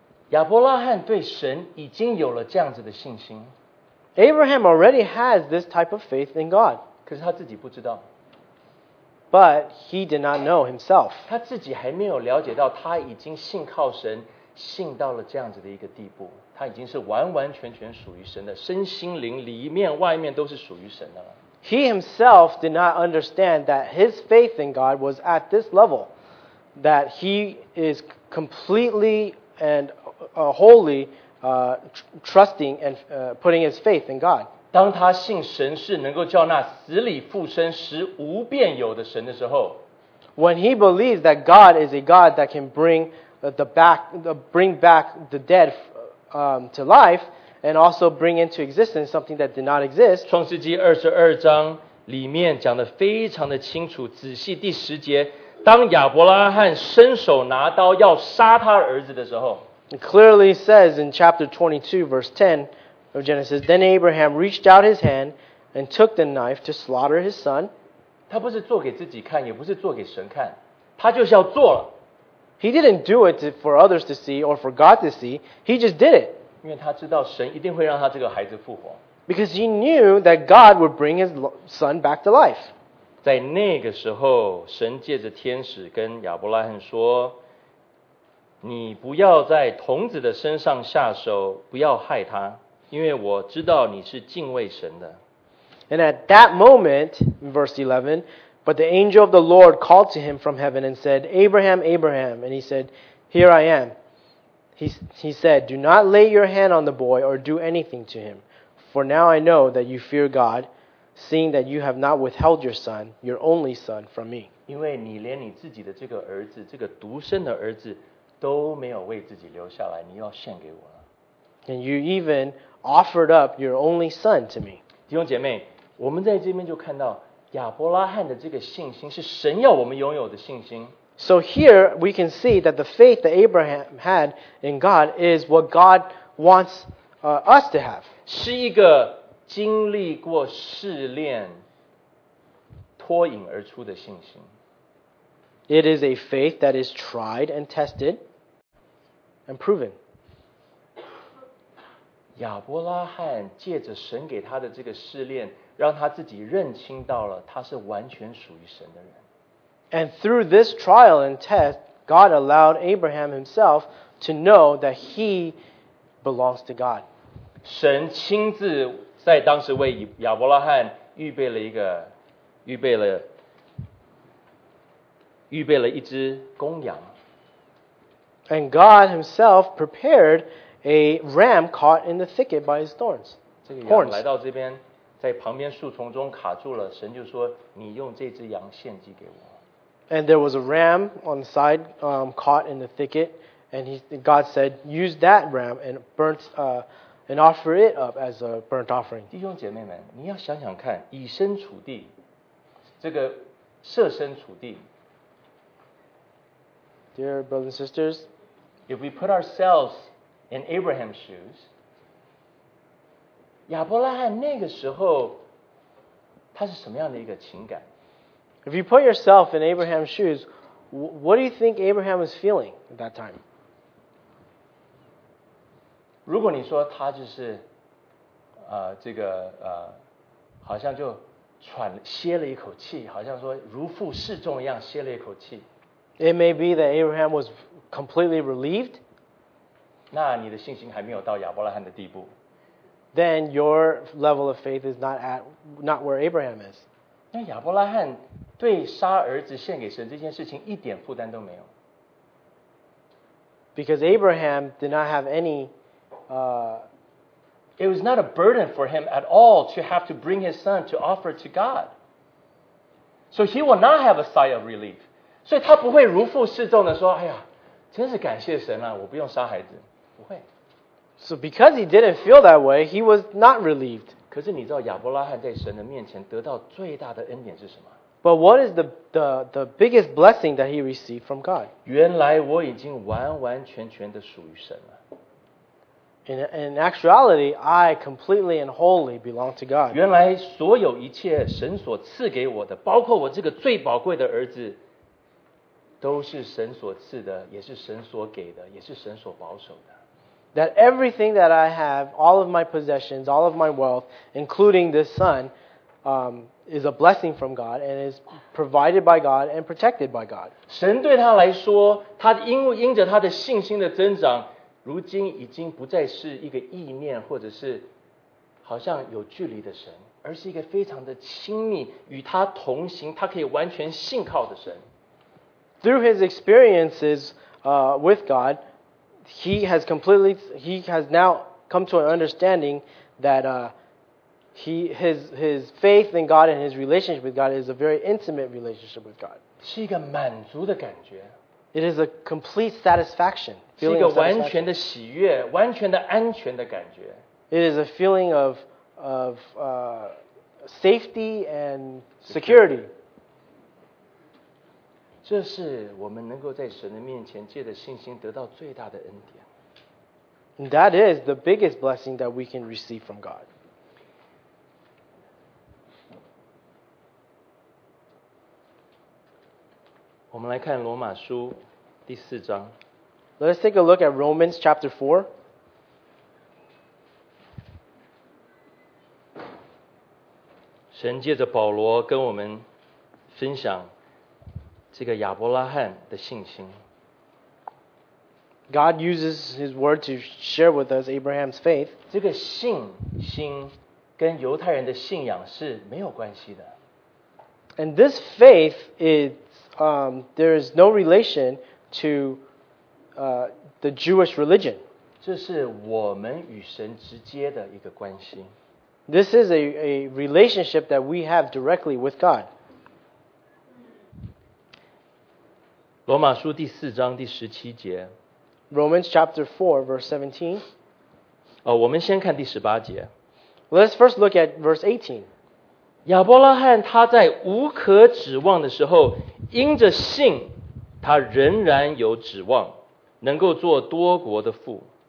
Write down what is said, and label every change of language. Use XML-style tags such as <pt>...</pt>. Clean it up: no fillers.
<zh>亚伯拉罕对神已经有了这样子的信心。</zh> <en>Abraham already has this type of faith in God.</en> <zh>可是他自己不知道。</zh> <en>But he did not know himself.</en> <zh>他自己还没有了解到他已经信靠神信到了这样子的一个地步，他已经是完完全全属于神的，身心灵里面外面都是属于神的了。</zh> <en>He himself did not understand that his faith in God was at this level, that he is completely and wholly trusting and putting his faith in God.</en> <zh>当他信神是能够叫那死里复生、实无变有的神的时候</zh> <en>，When he believes that God is a God that can bring bring back the dead to life and also bring into existence something that did not exist.</en> <zh>创世纪二十二章里面讲得非常的清楚，仔细第十节，当亚伯拉罕伸手拿刀要杀他儿子的时候</zh> <en>，It clearly says in chapter 22, verse 10 of Genesis, then Abraham reached out his hand and took the knife to slaughter his son.</en> <zh>他不是做给自己看，也不是做给神看，他就是要做了。</zh> <en>He didn't do it for others to see or for God to see. He just did it.</en> <zh>因为他知道神一定会让他这个孩子复活。</zh> <en>Because he knew that God would bring his son back to life.</en> <zh>在那个时候，神借着天使跟亚伯拉罕说：“你不要在童子的身上下手，不要害他，因为我知道你是敬畏神的。”</zh> <en>And at that moment, verse 11. But the angel of the Lord called to him from heaven and said, Abraham, Abraham. And he said, Here I am. He said, Do not lay your hand on the boy or do anything to him. For now I know that you fear God, seeing that you have not withheld your son, your only son, from me.</en> <zh>因为你连你自己的这个儿子，这个独生的儿子都没有为自己留下来，你要献给我了。</zh> <en>And you even offered up your only son to me.</en> <zh>弟兄姐妹，我们在这边就看到亚伯拉罕的这个信心是神要我们拥有的信心。</zh> <en>So here we can see that the faith that Abraham had in God is what God wants us to have.</en> <zh>是一个经历过试炼脱颖而出的信心。</zh> <en>It is a faith that is tried and tested and proven.</en> <zh>亚伯拉罕借着神给他的这个试炼让他自己认清到了他是完全属于神的人。</zh> <en>And through this trial and test, God allowed Abraham himself to know that he belongs to God.</en> <zh>神亲自在当时为亚伯拉罕预备了一只公羊。</zh> <en>And God himself prepared a ram caught in the thicket by his thorns.</en> <zh>这个羊来到这边。在旁边树丛中卡住了，神就说：“你用这只羊献祭给我。”</zh> <en>And there was a ram on the side, caught in the thicket, and God said, "Use that ram and and offer it up as a burnt offering."</en> <zh>弟兄姐妹们，你要想想看，以身处地，这个设身处地。</zh> <en>Dear brothers and sisters, if we put ourselves in Abraham's shoes.</en> <zh>亚伯拉罕那个时候他是什么样的一个情感</zh> <en>If you put yourself in Abraham's shoes, what do you think Abraham was feeling at that time?</en> <zh>如果你说他就是这个好像就喘歇了一口气好像说如负释重一样歇了一口气</zh> <en>It may be that Abraham was completely relieved.</en> <zh>那你的信心还没有到亚伯拉罕的地步</zh> <en>Then your level of faith is not where Abraham is.</en> <zh>那亚伯拉罕对杀儿子献给神这件事情一点负担都没有。</zh> <en>Because Abraham did not have any, it was not a burden for him at all to have to bring his son to offer to God. So he will not have a sigh of relief.</en> <zh>所以他不会如负释重的说，哎呀，真是感谢神啊，我不用杀孩子，不会。</zh> <en>So because he didn't feel that way, he was not relieved.</en> <zh>可是你知道亚伯拉罕在神的面前得到最大的恩典是什么？</zh> <en>But what is the biggest blessing that he received from God?</en> <zh>原来我已经完完全全的属于神了。</zh> <en>In actuality, I completely and wholly belong to God.</en> <zh>原来所有一切神所赐给我的，包括我这个最宝贵的儿子，都是神所赐的，也是神所给的，也是神所保守的。</zh> <en>That everything that I have, all of my possessions, all of my wealth, including this son, is a blessing from God and is provided by God and protected by God.</en> <zh>神对他来说，他因着他的信心的增长，如今已经不再是一个意念或者是好像有距离的神，而是一个非常的亲密，与他同行，他可以完全信靠的神。</zh> <en>Through his experiences, with God, he has now come to an understanding that his faith in God and his relationship with God is a very intimate relationship with God.</en> <zh>是一个满足的感觉。</zh> <en>It is a complete satisfaction.</en> <zh>是一个完全的喜悦，完全的安全的感觉。</zh> <en>It is a feeling of safety and security.</en> <zh>这是我们能够在神的面前借着信心得到最大的恩典。</zh> <en>And that is the biggest blessing that we can receive from God.</en> <zh>我们来看罗马书第四章。</zh> <en>Let us take a look at Romans chapter 4.</en> <zh>神借着保罗跟我们分享这个亚伯拉罕的信心。</zh> <en>God uses his word to share with us Abraham's faith.</en> <zh>这个信心跟犹太人的信仰是没有关系的。</zh> <en>And this faith, there is no relation to the Jewish religion.</en> <zh>这是我们与神直接的一个关系。</zh> <en>This is a relationship that we have directly with God.</en> <zh>罗马书第四章第十七节。</zh> <en>Romans chapter 4, verse 17.</en> <zh>我们先看第十八节。</zh> <en>Let's first look at verse 18.</en> <zh>亚伯拉罕他在无可指望的时候，因着信，他仍然有指望，能够做多国的父。</zh>